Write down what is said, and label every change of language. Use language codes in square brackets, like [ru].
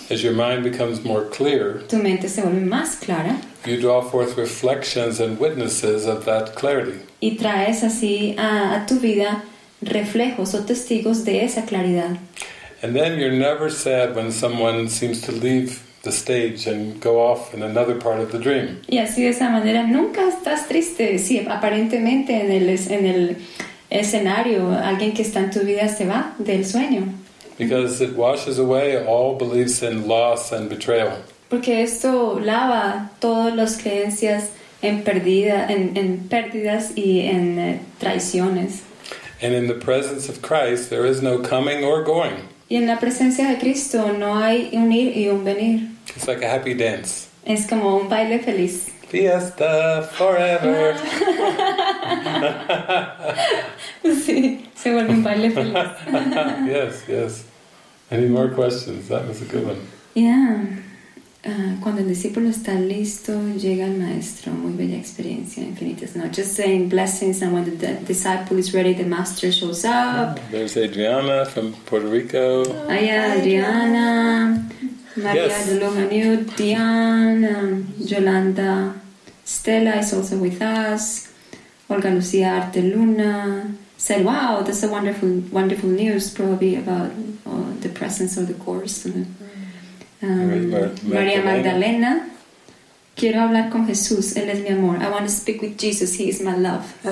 [en] as your mind becomes more clear, [es] tu mente se vuelve más clara, [en] you draw forth reflections and witnesses of that clarity. [es] Y traes así a tu vida reflejos o testigos de esa claridad. [en] And then you're never sad when someone seems to leave the stage and go off in another part of the dream. [es] Y así de esa manera nunca estás triste si aparentemente en el escenario alguien que está en tu vida se va del sueño. [en] Because it washes away all beliefs in loss and betrayal. [es] Porque esto lava todas las creencias en pérdidas y en traiciones. [en] And in the presence of Christ, there is no coming or going. [es] Y en la presencia de Cristo no hay un ir y un venir. [en] It's like a happy dance. [es] Es como un baile feliz. [en] Fiesta forever. [es] Sí, se vuelve un baile feliz. [en] Yes. Any more questions? That was a good one. Yeah. [es] Cuando el discípulo está listo, llega el maestro. Muy bella experiencia, infinitas noches. [en] Just saying blessings, and when the disciple is ready, the master shows up. There's Adriana from Puerto Rico. Hi, Adriana. Maria Dolomanu, Diane, Yolanda, Stella is also with us. Olga Lucia Arte Luna said, "Wow, that's a wonderful, wonderful news, probably about the presence of the Course." [es] Maria Magdalena, quiero hablar con Jesús, él es mi amor. [en] I want to speak with Jesus, he is my love.